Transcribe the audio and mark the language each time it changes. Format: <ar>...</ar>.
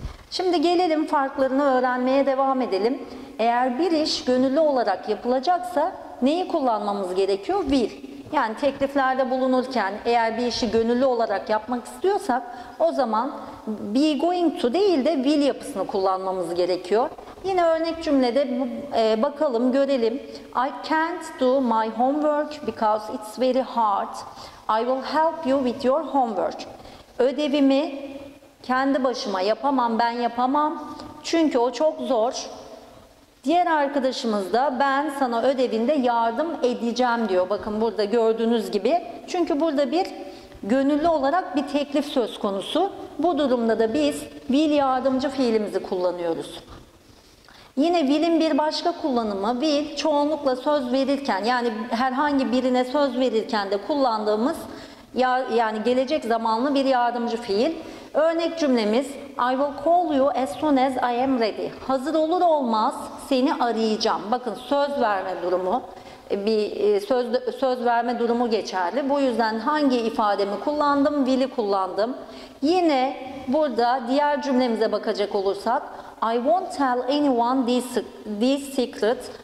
<tr>Şimdi gelelim farklarını öğrenmeye devam edelim. Eğer bir iş gönüllü olarak yapılacaksa neyi kullanmamız gerekiyor? Will. Yani tekliflerde bulunurken eğer bir işi gönüllü olarak yapmak istiyorsak o zaman be going to değil de will yapısını kullanmamız gerekiyor. Yine örnek cümlede bakalım görelim.</tr> <en>I can't do my homework because it's very hard. I will help you with your homework.</en> <tr>Ödevimi kendi başıma yapamam, ben yapamam. Çünkü o çok zor. Diğer arkadaşımız da ben sana ödevinde yardım edeceğim diyor. Bakın burada gördüğünüz gibi. Çünkü burada bir gönüllü olarak bir teklif söz konusu. Bu durumda da biz will yardımcı fiilimizi kullanıyoruz. Yine will'in bir başka kullanımı will çoğunlukla söz verirken yani herhangi birine söz verirken de kullandığımız yani gelecek zamanlı bir yardımcı fiil. Örnek cümlemiz</tr> <en>I will call you as soon as I am ready.</en> <tr>Hazır olur olmaz seni arayacağım. Bakın söz verme durumu bir söz verme durumu geçerli. Bu yüzden hangi ifademi kullandım? Will'i kullandım. Yine burada diğer cümlemize bakacak olursak</tr> <en>I won't tell anyone this secret.</en>